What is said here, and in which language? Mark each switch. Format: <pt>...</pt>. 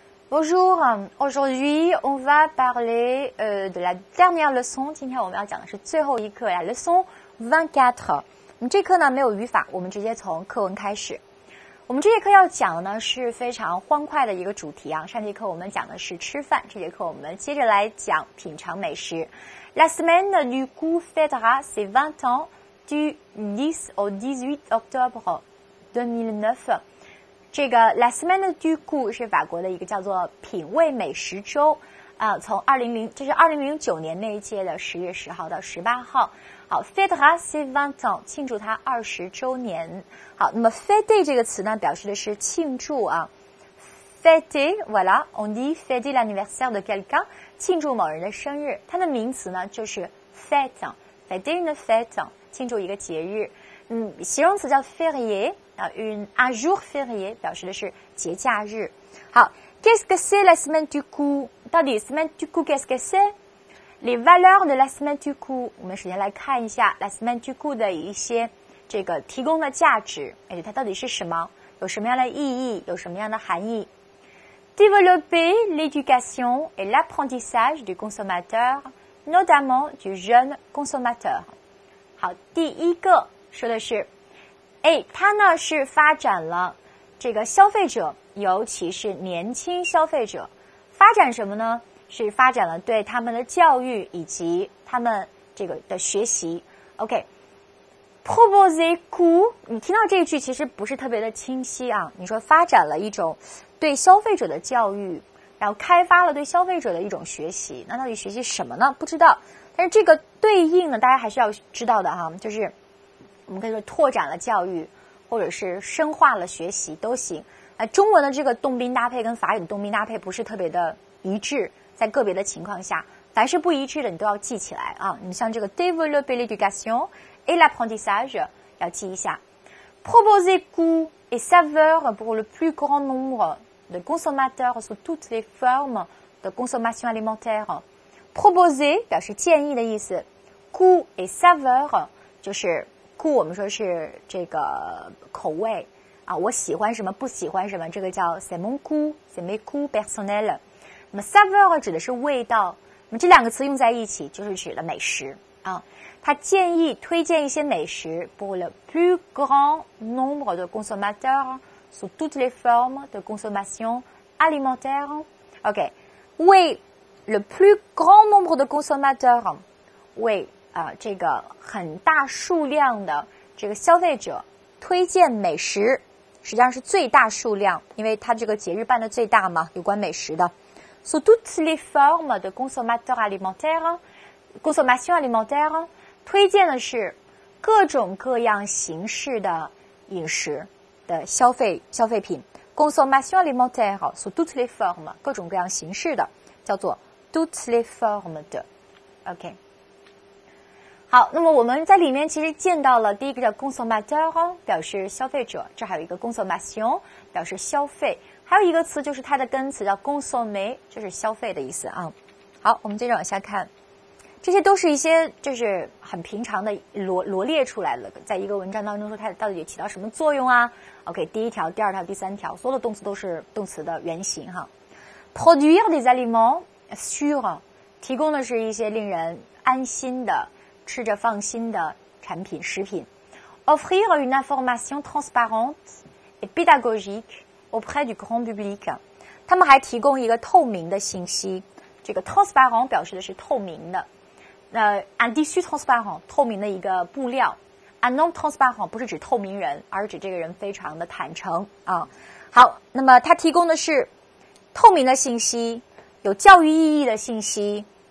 <fr>Bonjour, aujourd'hui on va parler de la dernière leçon.</fr> <zh>今天我们要讲的是最后一课呀，leçon 24。我们这课呢没有语法，我们直接从课文开始。我们这节课要讲的呢是非常欢快的一个主题啊。上节课我们讲的是吃饭，这节课我们接着来讲品尝美食。</zh> <fr>La semaine du goût fêtera ses 20 ans du 10 au 18 octobre 2009.</fr> <zh>这个 La Semaine du Goût 是法国的一个叫做品味美食周啊，从200这是2009年那一届的10月10号到18号。好 ,</zh> <fr>Fêtera ses 20 ans,</fr> <zh>庆祝它20周年。好，那么 Fêter 这个词呢表示的是庆祝啊。</zh> <fr>Fêter, voilà, on dit Fêter l'anniversaire de quelqu'un,</fr> <zh>庆祝某人的生日。它的名词呢就是</zh> <fr>Fêter une fête,</fr> <zh>庆祝一个节日。嗯，形容词叫 férié, 啊 ,</zh> <fr>un jour férié,</fr> <zh>表示的是节假日。</zh> <fr>好 ,qu'est-ce que c'est la semaine du coup?</fr> <zh>到底</zh> <fr>semaine du coup, qu'est-ce que c'est? Les valeurs de la semaine du coup,</fr> <zh>我们首先来看一下 la semaine du coup 的一些这个提供的价值，而且它到底是什么，有什么样的意义，有什么样的含义。</zh> <fr>Développer l'éducation et l'apprentissage du consommateur, notamment du jeune consommateur.</fr> <zh>好，第一个。说的是，哎，它呢是发展了这个消费者，尤其是年轻消费者，发展什么呢？是发展了对他们的教育以及他们这个的学习。 OK,</zh> <fr>proposer coup,</fr> <zh>你听到这一句其实不是特别的清晰啊。你说发展了一种对消费者的教育，然后开发了对消费者的一种学习，那到底学习什么呢？不知道。但是这个对应呢，大家还是要知道的哈，就是。我们可以说拓展了教育，或者是深化了学习都行。那中文的这个动宾搭配跟法语的动宾搭配不是特别的一致，在个别的情况下，凡是不一致的你都要记起来啊。你像这个</zh> <fr>développer l'éducation et l'apprentissage</fr> <zh>要记一下。</zh> <fr>Proposer goût et saveur pour le plus grand nombre de consommateurs sous toutes les formes de consommation alimentaire.</fr> <zh>Proposer 表示建议的意思 ，</zh> <fr>goût et saveur</fr> <zh>就是。故我们说是这个口味啊，我喜欢什么不喜欢什么，这个叫</zh> <fr>c'est mon goût, c'est mes goûts personnels。</fr> <zh>那么 saveur 指的是味道，那么这两个词用在一起就是指的美食啊。他建议推荐一些美食</zh> <fr>pour le plus grand nombre de consommateurs sous toutes les formes de consommation alimentaire.</fr> <zh>OK, 为</zh> <fr>le plus grand nombre de consommateurs,</fr> <zh>为这个很大数量的这个消费者推荐美食，实际上是最大数量，因为它这个节日办的最大嘛，有关美食的。</zh> <fr>Sous toutes les formes de consommation alimentaire,</fr> <zh>推荐的是各种各样形式的饮食的消费品。</zh> <fr>Consommation alimentaire, sous toutes les formes,</fr> <zh>各种各样形式的，叫做</zh> <fr>toutes les formes de.</fr> <en>OK.</en> <zh>好，那么我们在里面其实见到了第一个叫 consommateur, 表示消费者，这还有一个 consommation, 表示消费，还有一个词就是它的根词叫 consommer, 就是消费的意思啊。好，我们接着往下看，这些都是一些就是很平常的罗列出来的，在一个文章当中说它到底有起到什么作用啊。 OK, 第一条，第二条，第三条，所有的动词都是动词的原型哈。</zh> <fr>produire des aliments sûrs,</fr> <zh>提供的是一些令人安心的吃着放心的产品食品。</zh> <fr>Offrir une information transparente et pédagogique auprès du grand public.</fr> <zh>他们还提供一个透明的信息，这个 transparent 表示的是透明的，那</zh> <fr>un tissu transparent</fr> <zh>透明的一个布料，</zh> <fr>un homme transparent</fr> <zh>不是指透明人，而指这个人非常的坦诚啊。好，那么他提供的是透明的信息，有教育意义的信息。</zh>